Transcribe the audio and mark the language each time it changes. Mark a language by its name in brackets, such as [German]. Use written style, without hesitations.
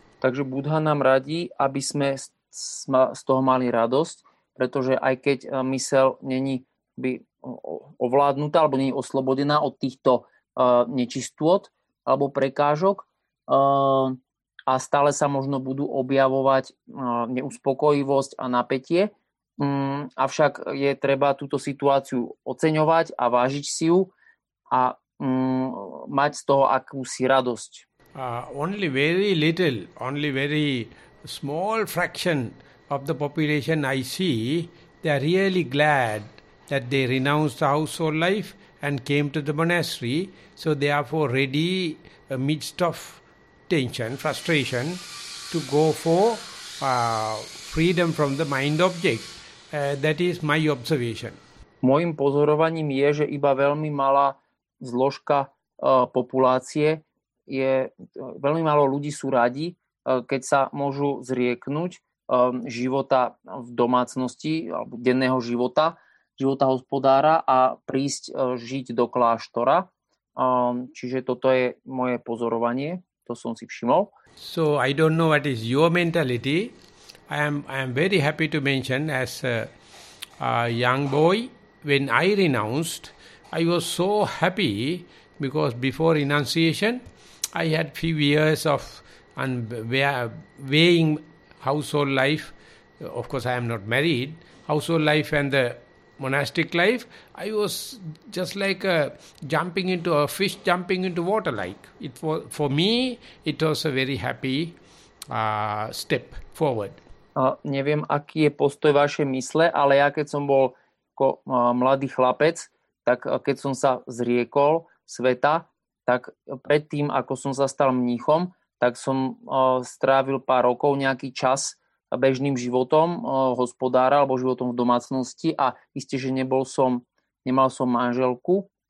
[Slovak] Takže Buddha nám radí, aby sme z toho mali radosť, pretože aj keď mysel není by ovládnutá alebo není oslobodená od týchto nečistôt alebo prekážok a stále sa možno budú objavovať neuspokojivosť a napätie, avšak je treba túto situáciu oceňovať a vážiť si ju a mať z toho akúsi radosť. [English] only very little, only very small fraction of the population I see, they are really glad that they renounced the household life and came to the monastery, so therefore ready amidst of tension, frustration, to go for freedom from the mind object. That is my observation. [Slovak] Mojím pozorovaním je, že iba veľmi malá zložka populácie je, veľmi málo ľudí sú radi, keď sa môžu zrieknúť života v domácnosti, alebo denného života, života hospodára a prísť žiť do kláštora. Čiže toto je moje pozorovanie, to som si všimol. [English] So I don't know what is your mentality. I am very happy to mention as a young boy, when I renounced, I was so happy because before renunciation, I had few years of weighing household life. Of course, I am not married. Household life and the monastic life, I was just like a fish jumping into water. Like it was for me, it was a very happy step forward. [Slovak] Neviem, aký je postoj vašej mysle, ale ja keď som bol ako mladý chlapec, tak keď som sa zriekol sveta, tak predtým, ako som sa stal mníchom, tak som strávil pár rokov nejaký čas bežným životom hospodára alebo životom v domácnosti a isté, že nemal som manželku,